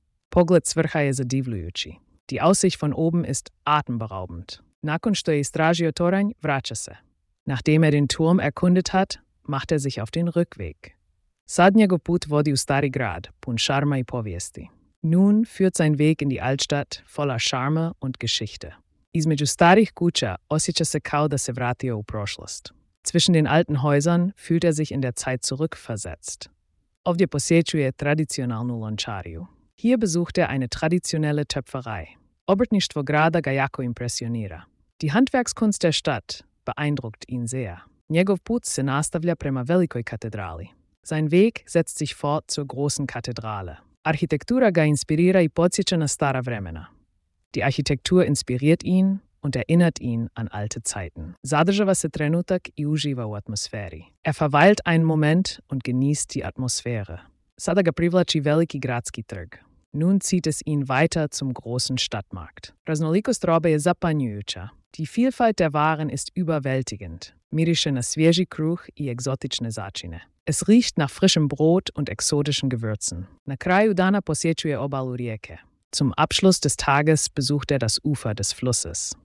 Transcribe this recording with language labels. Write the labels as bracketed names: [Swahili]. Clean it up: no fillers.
[Croatian] Pogled s vrha je zadivljujući. [German] Die Aussicht von oben ist atemberaubend. [Croatian] Nakon što je istražio toranj, vraća se. [German] Nachdem den Turm erkundet hat, macht sich auf den Rückweg. [Croatian] Sad njegov put vodi u stari grad, pun šarma i povijesti. [German] Nun führt sein Weg in die Altstadt voller Charme und Geschichte. [Croatian] Između starih kuća osjeća se kao da se vratio u prošlost. [German] Zwischen den alten Häusern fühlt sich in der Zeit zurückversetzt. [Croatian] Ovdje posjećuje tradicionalnu lončariju. [German] Hier besucht eine traditionelle Töpferei. [Croatian] Obrtništvo grada ga jako impresionira. [German] Die Handwerkskunst der Stadt beeindruckt ihn sehr. [Croatian] Njegov put se nastavlja prema velikoj katedrali. [German] Sein Weg setzt sich fort zur großen Kathedrale. [Croatian] Arhitektura ga inspirira i podsjeća na stara vremena. [German] Die Architektur inspiriert ihn und erinnert ihn an alte Zeiten. [Croatian] Zadržava se trenutak i uživa u atmosferi. [German] Verweilt einen Moment und genießt die Atmosphäre. [Croatian] Sada ga privlači veliki gradski trg. [German] Nun zieht es ihn weiter zum großen Stadtmarkt. [Croatian] Raznolikost robe je zapanjujuća. [German] Die Vielfalt der Waren ist überwältigend. [Croatian] Miriše na svježi kruh i egzotične začine. [German] Es riecht nach frischem Brot und exotischen Gewürzen. [Croatian] Na kraju dana posjećuje obalu rijeke. [German] Zum Abschluss des Tages besucht das Ufer des Flusses.